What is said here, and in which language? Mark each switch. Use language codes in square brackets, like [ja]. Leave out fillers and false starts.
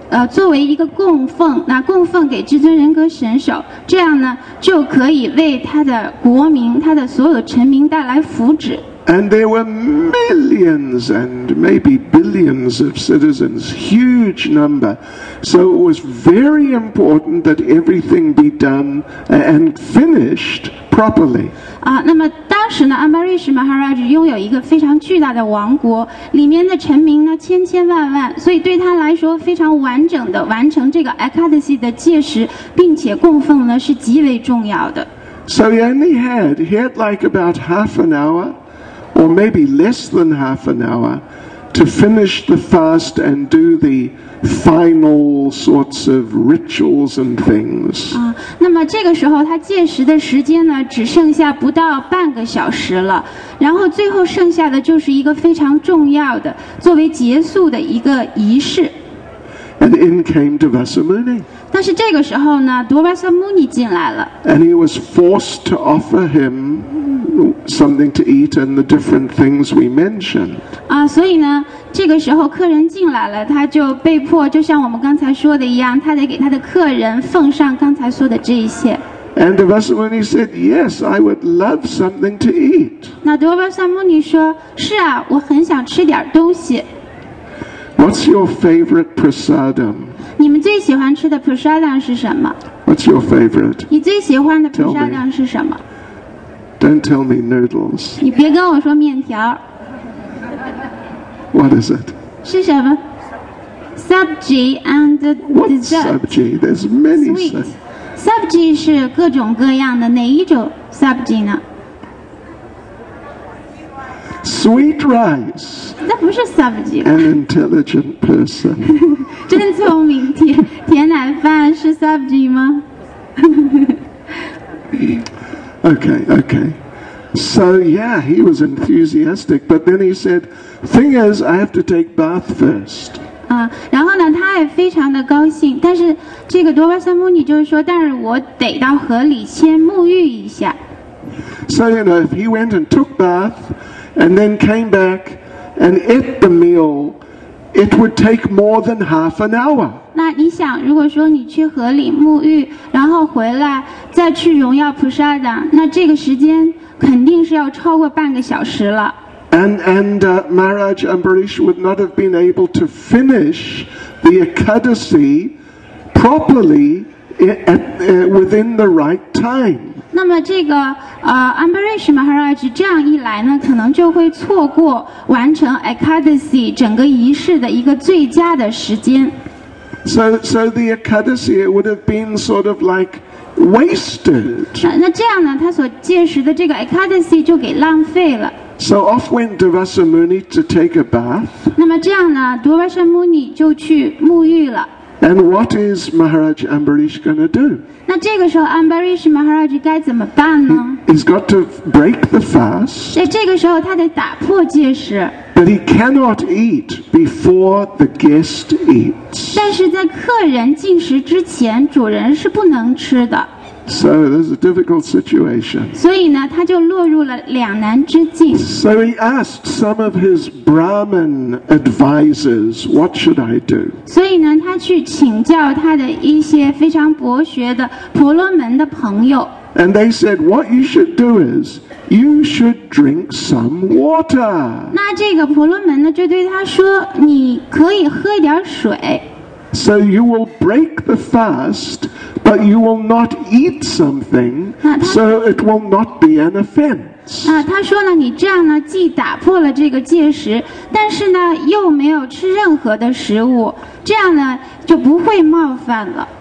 [zh] 作为一个供奉，那供奉给至尊人格神手，这样呢就可以为他的国民，他的所有臣民带来福祉。 [en] And there were millions and maybe billions of citizens, huge number. So it was very important that everything be done and finished properly. [zh] 那么当时呢，安巴瑞什马哈拉吉拥有一个非常巨大的王国，里面的臣民呢千千万万，所以对他来说非常完整的完成这个 Ekadasi 的戒食，并且供奉呢是极为重要的。 [en] So he had like about half an hour. Or maybe less than half an hour to finish the fast and do the final sorts of rituals and things. [zh] 那么这个时候他戒食的时间呢，只剩下不到半个小时了。然后最后剩下的就是一个非常重要的，作为结束的一个仪式。 [en] And in came Devasamuni. [zh] 但是这个时候呢，多巴萨穆尼进来了。 [en] And he was forced to offer him. Something to eat and the different things we mentioned. [zh] 所以呢，这个时候客人进来了，他就被迫，就像我们刚才说的一样，他得给他的客人奉上刚才说的这一些。 [en] And Devasamuni said, "Yes, I would love something to eat." [zh] 那多巴萨穆尼说，是啊，我很想吃点东西。 [en] What's your favorite prasadam? [zh] 你们最喜欢吃的 prasadam 是什么 [en] ？What's your favorite? [zh] 你最喜欢的 prasadam 是什么？ [en] Don't tell me noodles. [zh] 你别跟我说面条。 [en] What is it? [zh] 是什么 [en] ？Subji and dessert. What subji? There's many [zh] subji. Subji 是各种各样的，哪一种 subji 呢 [en] ？Sweet rice. [zh] 那不是 subji. [en] An intelligent person. [zh] 真聪明，甜奶饭是 subji 吗？ [en] Okay. So yeah, he was enthusiastic, but then he said, "Thing is, I have to take bath first." [zh] 然后呢，他也非常的高兴。但是这个多巴萨穆尼就是说，但是我得到河里先沐浴一下。 [en] So you know, if he went and took bath, and then came back and ate the meal, it would take more than half an hour. [zh] 那你想，如果说你去河里沐浴，然后回来再去荣耀菩萨的，那这个时间肯定是要超过半个小时了。 [en] And Maharaj Ambarish would not have been able to finish the Ekadasi properly within the right time. [zh] 那么这个Ambarish Maharaj 这样一来呢，可能就会错过完成 Ekadasi 整个仪式的一个最佳的时间。 [en] So the Ekadasi would have been sort of like wasted. [zh] 那这样呢，他所戒食的这个 Ekadasi 就给浪费了。 [en] So off went Devasamuni to take a bath. [zh] 那么这样呢，多巴沙穆尼就去沐浴了。 [en] And what is Maharaj Ambarish going to do? [zh] 那这个时候 Ambarish Maharaj 该怎么办呢？ [en] He's got to break the fast. [zh] 这个时候他得打破戒食。 [en] But he cannot eat before the guest eats. [zh] 但是在客人进食之前，主人是不能吃的。 [en] So there's a difficult situation. [zh] 所以呢，他就落入了两难之境。 [en] So he asked some of his Brahmin advisors, "What should I do?" [zh] 所以呢，他去请教他的一些非常博学的婆罗门的朋友。 [en] And they said, "What you should do is you should drink some water." [zh] 那这个婆罗门呢，就对他说，你可以喝点水。 [en] So you will break the fast, but you will not eat something, so it will not be an offense. [zh] 他说呢，你这样呢，既打破了这个戒食，但是呢，又没有吃任何的食物，这样呢，就不会冒犯了。